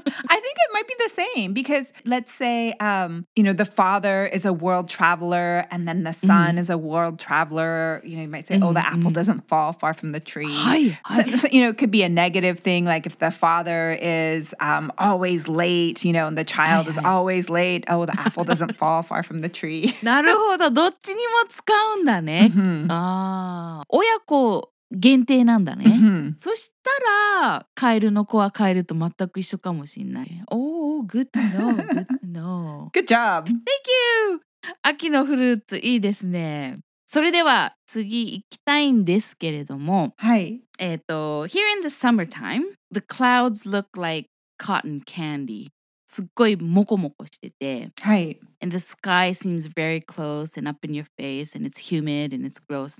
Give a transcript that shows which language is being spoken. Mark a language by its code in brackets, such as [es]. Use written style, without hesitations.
[en] I think it might be the same because let's say, you know, the father is a world traveler and then the son is a world traveler. You know, you might say, oh, the apple doesn't fall far from the tree. So, you know, it could be a negative thing. Like if the father is always late, you know, and the child is always late, oh, the apple doesn't fall far from the tree. [ja] なるほど。どっちにも使うんだね。ああ、親子。限定なんだね。そしたらカエルの子はカエルと全く一緒かもしれない。 [en] Oh, good to know. Good to know. Good job. Thank you. [ja] 秋のフルーツいいですね。それでは次行きたいんですけれども、はい。 [en] Here in the summertime, the clouds look like cotton candy. [ja] すっごいモコモコしてて、はい。 [en] And the sky seems very close and up in your face and it's humid and it's gross.